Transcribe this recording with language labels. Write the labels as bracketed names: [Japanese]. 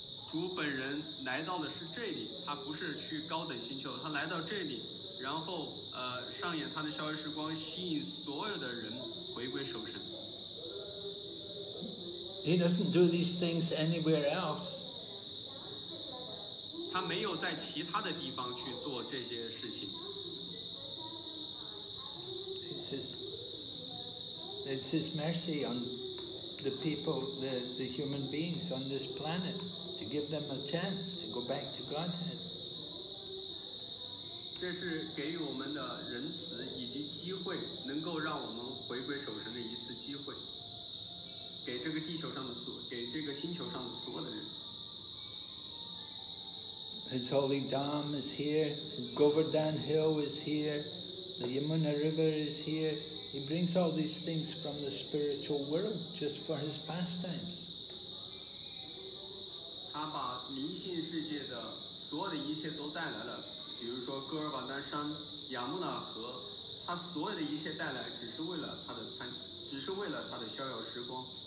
[Chinese] 主本人来到的是这里，他不是去高等星球，他来到这里，然后上演他的逍遥时光，吸引所有的人回归守神。 [English] He doesn't do these things anywhere else. [Chinese] 他没有在其他的地方去做这些事情。 [English] It's his mercy on the people, the human beings on this planet, to give them a chance to go back to Godhead. [Chinese] 这是给予我们的仁慈以及机会，能够让我们回归守神的一次机会。给这个地球上的所，给这个星球上的所有的人。 [English] His holy dham is here, Govardhan Hill is here, the Yamuna River is here. He brings all these things from the spiritual world just for his pastimes. [Chinese] 他把灵性世界的所有的一切都带来了，比如说戈尔瓦丹山、亚穆纳河，他所有的一切带来只是为了他的餐，只是为了他的逍遥时光。